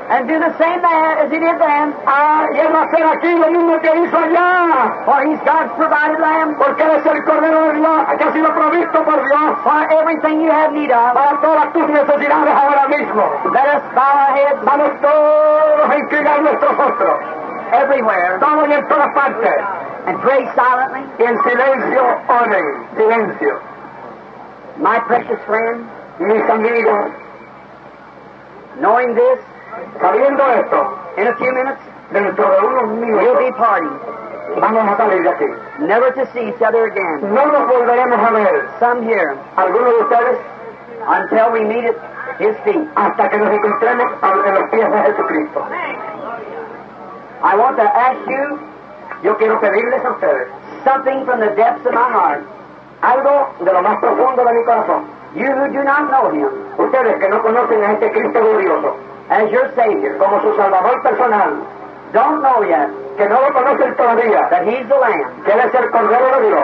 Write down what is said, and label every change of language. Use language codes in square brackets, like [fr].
[en] And do the same there as he did then. [es] Y él va a hacer aquí lo mismo que hizo allá. [en] For he's God's provided lamb. [es] Porque él es el cordero de Dios. Aquí ha sido provisto por Dios. [en] For everything you have need of. [es] Para todas tus necesidades ahora mismo. [en] Let us bow our heads. [es] Vamos todos a inclinar nuestros rostros. [en] Everywhere. [es] En todas partes. [en] And pray silently. [es] Y en silencio, oren. Silencio. [en] My precious friend. [es] Mis amigos. [en] Knowing this, [es] sabiendo esto, [en] in a few minutes, [es] dentro de unos minutos, [en] we'll be pardoned. [es] Vamos a salir de aquí. [en] Never to see each other again. [es] No nos volveremos a ver. [en] Some here. [es] Algunos de ustedes. [en] Until we meet at His feet. [es] Hasta que nos encontremos a los pies de Jesucristo. [en] I want to ask you. [es] Yo quiero pedirles a ustedes. [en] Something from the depths of my heart. [es] Algo de lo más profundo de mi corazón. [en] You who do not know Him. [es] Ustedes que no conocen a este Cristo glorioso. [en] As your Savior. [es] Como su Salvador personal. [en] Don't know yet. [es] Que no lo conocen todavía. [en] That He's the Lamb. [es] Que Él es el Cordero de Dios.